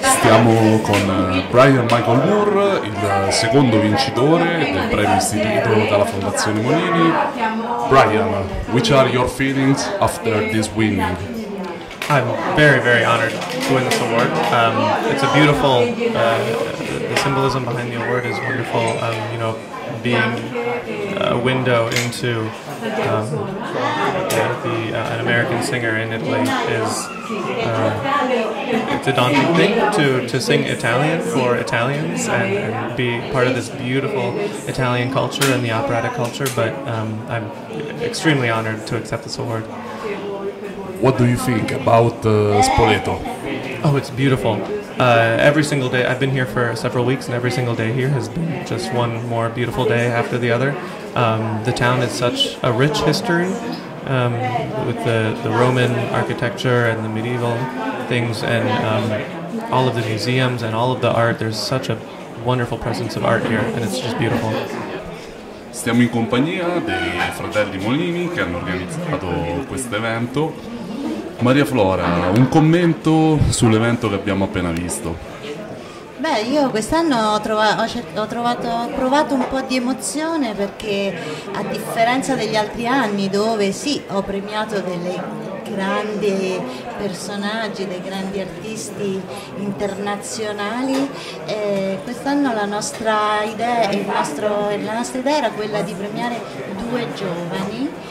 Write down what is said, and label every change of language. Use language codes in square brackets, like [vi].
[it] Stiamo con Brian Michael Moore, il secondo vincitore del premio istituito dalla Fondazione Monini. [en] Brian, which are your feelings after this winning? I'm very, very honored to win this award. It's a beautiful, the symbolism behind the award is wonderful, you know, being a window into an American singer in Italy is it's a daunting thing to sing Italian for Italians and be part of this beautiful Italian culture and the operatic culture, but I'm extremely honored to accept this award. What do you think about Spoleto? Oh, it's beautiful. Every single day, I've been here for several weeks, and every single day here has been just one more beautiful day after the other. The town is such a rich history, with the Roman architecture and the medieval things, and all of the museums and all of the art. There's such a wonderful presence of art here, and it's just beautiful. [it] Stiamo in compagnia dei fratelli Molini, che hanno organizzato questo evento. Maria Flora, un commento sull'evento che abbiamo appena visto. Beh, io quest'anno ho provato un po' di emozione, perché a differenza degli altri anni, dove sì, ho premiato delle grandi personaggi, dei grandi artisti internazionali, quest'anno la nostra idea era quella di premiare due giovani.